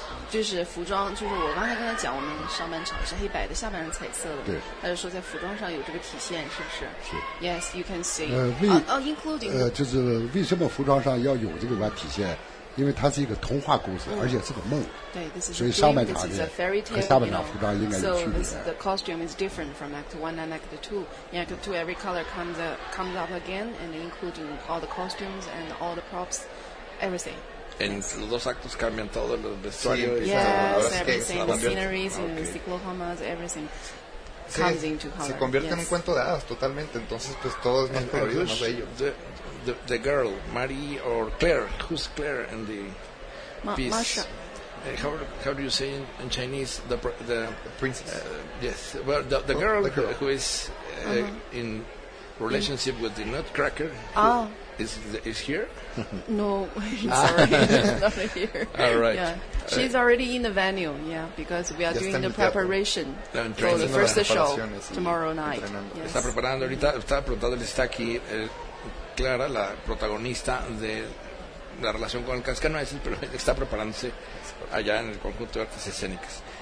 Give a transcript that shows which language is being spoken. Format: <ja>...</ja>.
<zh>就是服装，就是我刚才跟他讲，我们上半场是黑白的，下半场彩色的。对。他就说在服装上有这个体现，是不是？是。</zh> <en>Yes, you can see. including.</en> <zh>就是为什么服装上要有这个来体现？因为它是一个童话故事，而且是个梦，所以上半场和下半场服装应该有区别。</zh> <en>So the costume is different from Act One and Act Two. In Act Two, every color comes up again, and including all the costumes and all the props, everything.</en> <es>En los dos actos cambian todo el vestuario.</es> <en>Yes, everything, the sceneries, the cyclohamas, everything comes into color.</en> <es>Se convierte en un cuento de hadas totalmente. Entonces, pues todo es más colorido, más bello.</es> <en>The girl, Marie or Claire, who's Claire in the piece? Masha. How do you say in Chinese the princess? Yes, well, the girl, the girl who is in relationship with the nutcracker is here? No, sorry, not here. All right. Yeah. She's already in the venue, yeah, because we are doing the preparation for the first show tomorrow night. Yes.</en> <es>Está preparando ahorita, está preparando, está aquí... Clara, la protagonista de la relación con el cascanueces, pero está preparándose allá en el conjunto de artes escénicas.</es>